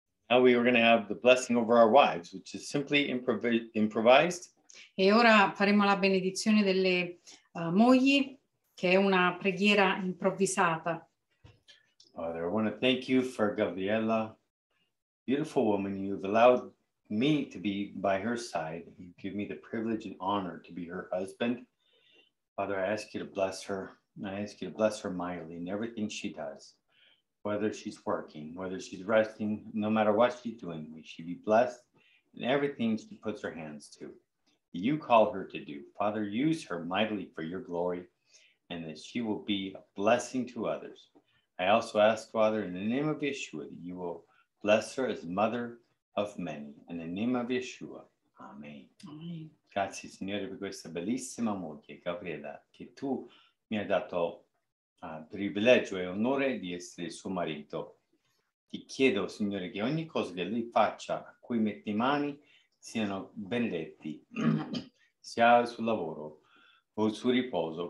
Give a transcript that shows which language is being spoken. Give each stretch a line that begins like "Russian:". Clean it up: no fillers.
English: Now we are going to have the blessing over our wives, which is simply improvised.
Italian: E ora faremo la benedizione delle mogli, che è una preghiera improvvisata.
English: Father, I want to thank you for Gabriella, beautiful woman. You've allowed me to be by her side. You give me the privilege and honor to be her husband. Father, I ask you to bless her. I ask you to bless her mightily in everything she does. Whether she's working, whether she's resting, no matter what she's doing, may she be blessed in everything she puts her hands to. You call her to do. Father, use her mightily for your glory, and that she will be a blessing to others. I also ask, Father, in the name of Yeshua, that you will bless her as mother of many. In the name of Yeshua, amen.
Italian: Grazie, Signore, per questa bellissima moglie, Gabriella, che tu mi hai dato privilegio e onore di essere suo marito. Ti chiedo, Signore, che ogni cosa che lui faccia, a cui metti mani, siano benedetti, sia sul lavoro o sul riposo.